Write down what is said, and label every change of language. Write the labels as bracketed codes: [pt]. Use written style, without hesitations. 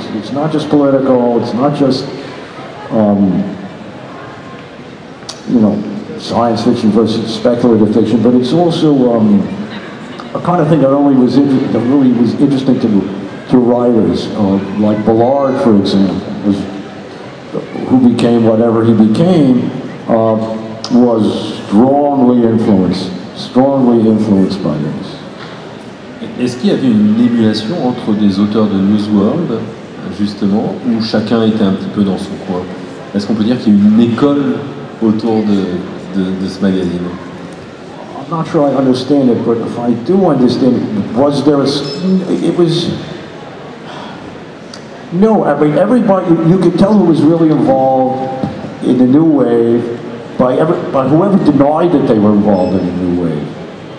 [en] It's not just political, it's not just science fiction versus speculative fiction, but it's also a kind of thing that only was really was interesting to writers, like Ballard, for example, who became whatever he became, was strongly influenced by this. [fr] Est-ce qu'il y avait une émulation entre des auteurs de Newsworld, justement, où chacun était un petit peu dans son coin? Est-ce qu'on peut dire qu'il y a une école autour de ce magazine? [en] I'm not sure I understand it, but if I do understand it, was there a... It was... No, I mean, everybody, you could tell who was really involved in the new wave by whoever denied that they were involved in the new wave.